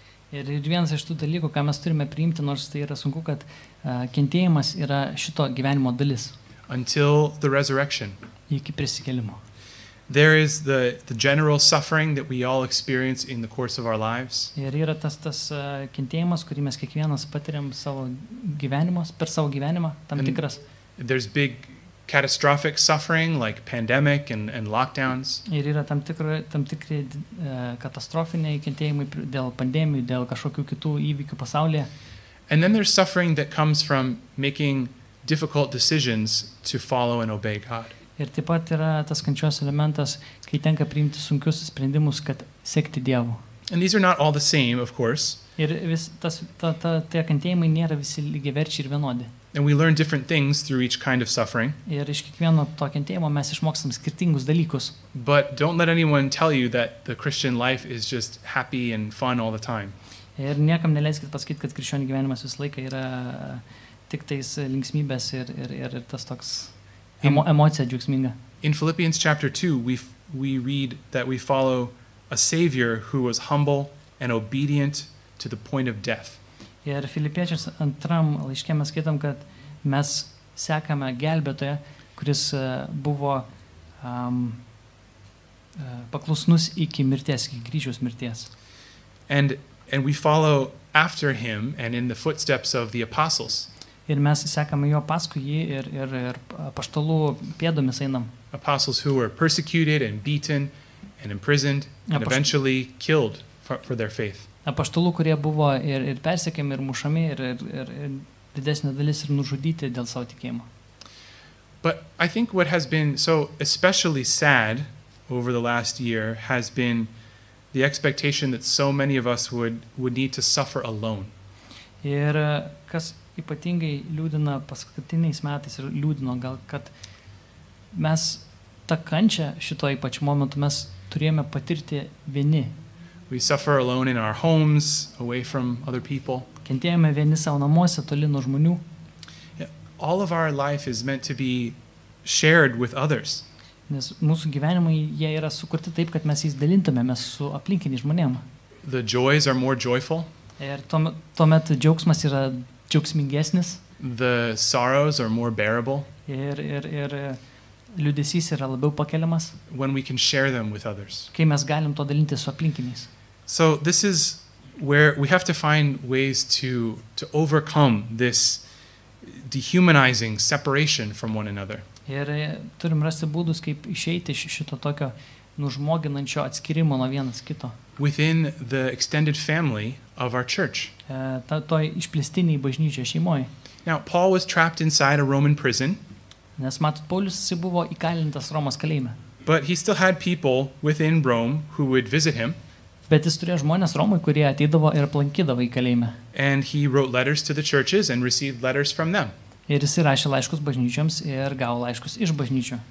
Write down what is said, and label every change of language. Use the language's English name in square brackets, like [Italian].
[Lithuanian] Ir vienas iš tų dalykų, ką mes turime priimti, nors tai yra sunku, kad kentėjimas yra šito gyvenimo dalis. [English] Until the resurrection. [Lithuanian] Iki prisikėlimo. [English] There is the general suffering that we all experience in the course of our lives. [Lithuanian] Ir yra tas kentėjimas, kurį mes kiekvienas patiriam savo gyvenimus, per savo gyvenimą, tam tikras. [English] There's big catastrophic suffering like pandemic and lockdowns. [Lithuanian] Ir yra tam tikri katastrofiniai kentėjimai dėl pandemijų, dėl kažkokių kitų įvykių pasaulyje. [English] And then there's suffering that comes from making difficult decisions to follow and obey God. [Lithuanian] Ir taip pat yra tas kančios elementas, kai tenka priimti sunkius sprendimus, kad sekti Dievu. [English] And these are not all the same, of course. [Lithuanian] Ir vis tas tie kentėjimai nėra visi lygiaverčiai ir vienodi. [English] And we learn different things through each kind of suffering. [Lithuanian] Ir iš kiekvieno to kentėjimo mes išmokstam skirtingus dalykus. [English] But don't let anyone tell you that the Christian life is just happy and fun all the time. [Lithuanian] Ir niekam neleiskit pasakyti, kad krikščionių gyvenimas visą laiką yra tik tais linksmybės ir tas toks emocija džiugsminga. [English] In Philippians chapter 2, we read that we follow a savior who was humble and obedient to the point of death. [Lithuanian] Ir Filipiečiams antram laiške mes skaitom, kad mes sekame gelbėtoją, kuris buvo paklusnus iki mirties, iki kryžiaus mirties. [English] And we follow after him and in the footsteps of the apostles. [Lithuanian] Ir mes sekame jo paskui jį ir apaštalų pėdomis einam. [English] Apostles who were persecuted and beaten and imprisoned and eventually killed for their faith. [Lithuanian] Apaštalų, kurie buvo ir persekiami, ir mušami, ir didesnė dalis ir nužudyti dėl savo tikėjimo. [English] But I think what has been so especially sad over the last year has been the expectation that so many of us would need to suffer alone. [Lithuanian] Ir kas ypatingai liūdina paskutiniais metais ir liūdino gal, kad mes tą kančią šito ypač momentu mes turėjome patirti vieni. [English] We suffer alone in our homes, away from other people. [Lithuanian] Kentėjame vieni savo namuose, toli nuo žmonių. [English] All of our life is meant to be shared with others. [Lithuanian] Nes mūsų gyvenimai, jie yra sukurti taip, kad mes jais dalintumėmės su aplinkiniais žmonėm. [English] The joys are more joyful. [Lithuanian] Ir tuomet džiaugsmas yra džiaugsmingesnis. [English] The sorrows are more bearable. [Lithuanian] Ir liūdesys yra labiau pakeliamas. [English] When we can share them with others. [Lithuanian] Kai mes galim to dalinti su aplinkiniais. [English] So this is where we have to find ways to overcome this dehumanizing separation from one another. [Lithuanian] Ir turim rasti būdus, kaip išeiti iš šito tokio nužmoginančio atskirimo nuo vienas kito. [English] Within the extended family of our church. [Lithuanian] Toj išplėstiniai bažnyčios šeimoj. [English] Now Paul was trapped inside a Roman prison. [Lithuanian] Nes matot, Paulius buvo įkalintas Romos kalėjime. [English] But he still had people within Rome who would visit him. [Lithuanian] Bet jis turėjo žmonės Romoj, kurie ateidavo ir aplankydavo į kalėjime. [English] And he wrote letters to the churches and received letters from them. [Lithuanian] Ir jis rašė laiškus bažnyčioms ir gavo laiškus iš bažnyčių.